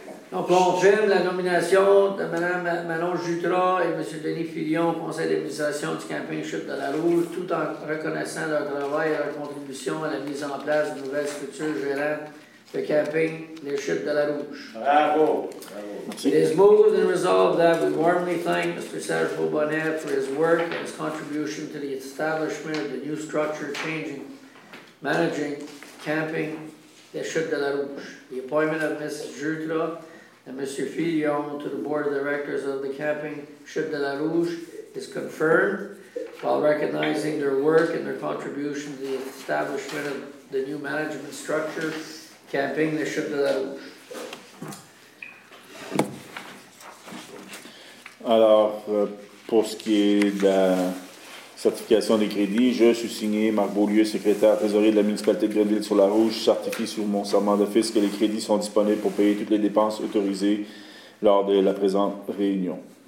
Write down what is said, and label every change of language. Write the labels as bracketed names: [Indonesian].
[French] Donc, on gère la nomination de Mme Manon Jutras et M. Denis Fillion au conseil d'administration du camping Chute de la Rouge, tout en reconnaissant leur travail et leur contribution à la mise en place d'une nouvelle structure gérant le camping Les Chutes de la Rouge. Bravo! [English] It is moved and resolved that we warmly thank Mr. Serge Beaubonnet for his work and his contribution to the establishment of the new structure changing, managing camping Les Chutes de la Rouge. The appointment of Mrs. Jutras and Mr. Fillion to the Board of Directors of the Camping Chute de la Rouge is confirmed while recognizing their work and their contribution to the establishment of the new management structure, Camping the Chute de la Rouge. [French] Alors, pour ce qui est de la certification des crédits, je suis signé Marc Beaulieu, secrétaire trésorier de la municipalité de Grenville-sur-la-Rouge. Je certifie sur mon serment d'office que les crédits sont disponibles pour payer toutes les dépenses autorisées lors de la présente réunion.